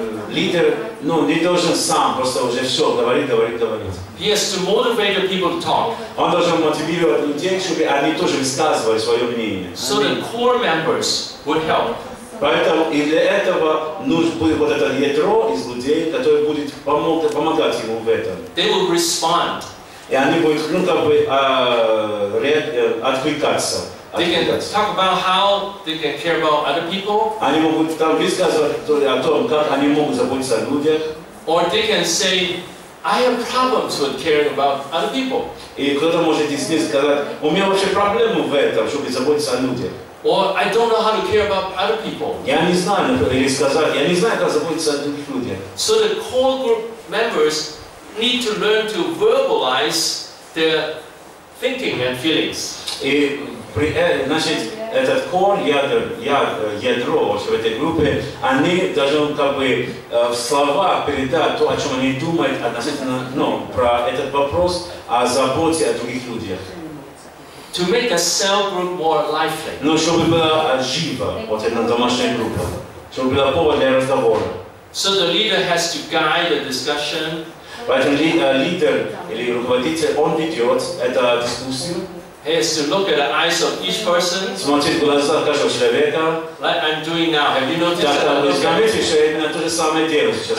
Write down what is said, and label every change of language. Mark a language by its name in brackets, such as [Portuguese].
[Russian] Лидер, не должен сам просто уже все говорить. [English] He has to motivate the people to talk. [Russian] Он должен мотивировать людей, чтобы они тоже высказывали свое мнение. [English] So the core members would help. [Russian] Поэтому и для этого нужно будет вот это ядро из людей, которое будет помогать ему в этом. [English] They will respond. [Russian] И они будут, ну, как бы, откликаться. [English] They can talk about how they can care about other people. [Russian] Они могут там высказывать о том, как они могут заботиться о людях. [English] Or they can say, I have problems with caring about other people. [Russian] И кто-то может из них сказать, у меня вообще проблемы в этом, чтобы заботиться о людях. [English] Or I don't know how to care about other people. [Russian] Я не знаю, например, или сказать, я не знаю, как заботиться о других людях. [English] So the core group members need to learn to verbalize their thinking and feelings. [Russian] И при, значит, этот core ядро в этой группе, они должны как бы в словах передать то, о чем они думают относительно, ну, про этот вопрос о заботе о других людях. [English] To make a cell group more lively. [Russian] Ну, чтобы была жива, вот эта домашняя группа. Чтобы была повод для разговора. [English] So the leader has to guide the discussion. [Russian] Поэтому лидер или руководитель, он ведет эту дискуссию. [English] He has to look at the eyes of each person. [Russian] Смотрит в глаза каждого человека. [English] Like I'm doing now. Have you noticed that? [Russian] Заметьте, что я на то же самое делаю сейчас.